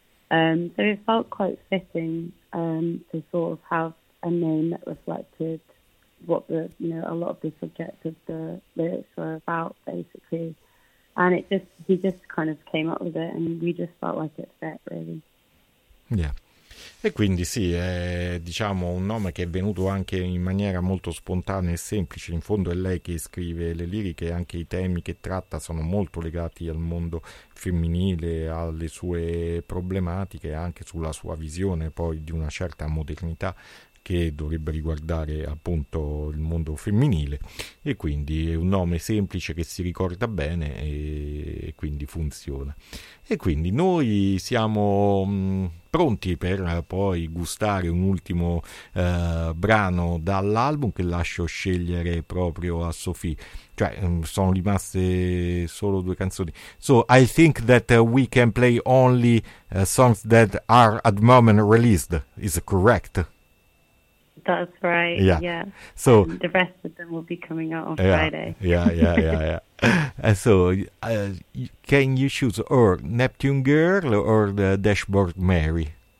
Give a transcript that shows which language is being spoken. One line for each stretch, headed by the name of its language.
English: So it felt quite fitting to sort of have a name that reflected what the, you know, a lot of the subject of the lyrics were about, basically. And it just he just kind of came up with it, and we just felt like it fit, really. Yeah.
Italian: E quindi sì, è diciamo un nome che è venuto anche in maniera molto spontanea e semplice. In fondo è lei che scrive le liriche e anche i temi che tratta sono molto legati al mondo femminile, alle sue problematiche, anche sulla sua visione poi di una certa modernità che dovrebbe riguardare appunto il mondo femminile. E quindi è un nome semplice che si ricorda bene e quindi funziona. E quindi noi siamo pronti per poi gustare un ultimo brano dall'album che lascio scegliere proprio a Sophie. Cioè, sono rimaste solo due canzoni.
English: So, I think that we can play only songs that are at the moment released. Is it correct? That's right, yeah. So, the rest of them will be coming out on Friday. Yeah. So, can you choose or Neptune Girl or the Dashboard Mary?